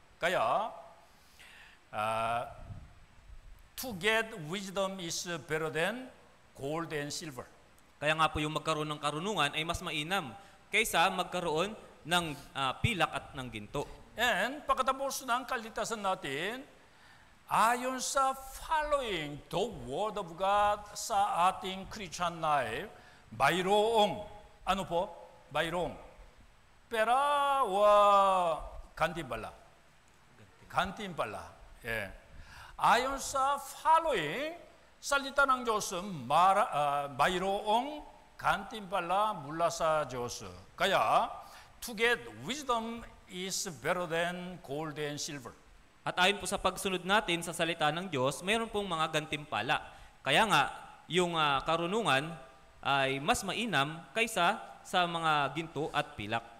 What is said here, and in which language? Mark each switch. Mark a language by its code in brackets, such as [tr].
[en] Kaya, to get wisdom is better than gold and silver. [tl] Kaya nga po yung magkaroon ng karunungan ay mas mainam kaysa magkaroon ng pilak at ng ginto. And pagkatapos ng kaligtasan natin, ayon sa [en] following the word of God [tl] sa ating Christian life, mayroong, ano po? Mayroong, pera o kantimpala? Kantimpala. Yeah. Ayon sa following, salita ng Diyos, mayroong kantimpala mula sa Diyos. [en] Kaya, to get wisdom is better than gold and silver. [tl] At ayon po sa pagsunod natin sa salita ng Diyos, mayroon pong mga gantimpala. Kaya nga, yung karunungan ay mas mainam kaysa sa mga ginto at pilak.